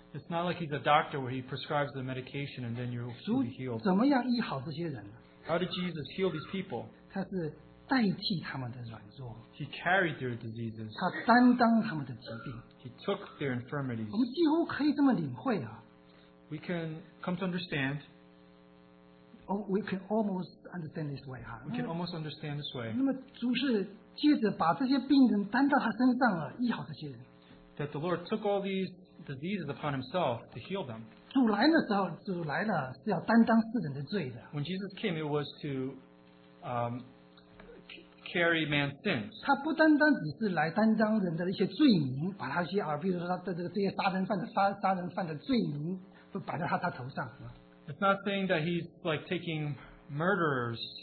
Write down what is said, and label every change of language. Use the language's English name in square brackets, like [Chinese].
[English] It's not like he's a doctor where he prescribes the medication and then you'll be healed. [Chinese] 主怎么样医好这些人？ [English] How did Jesus heal these people? [Chinese] 他是 代替他们的软弱, [English] he carried their diseases. [Chinese] 他担当他们的疾病, [English] he took their infirmities. [Chinese] 我们几乎可以这么领会啊, [English] we can come to understand. We can almost understand this way. Huh? We can almost understand this way. [Chinese] 那么主是借着把这些病人担到他身上了，医好这些人。 [English] That the Lord took all these diseases upon himself to heal them. [Chinese] 主来的时候，主来了是要担当世人的罪的。 [English] When Jesus came, it was to carry man's sins. [Chinese] 他不单单只是来担当人的一些罪名，把他一些，比如说他的这些杀人犯的罪名，都摆在他头上。 [English] It's not saying that he's like taking murderers.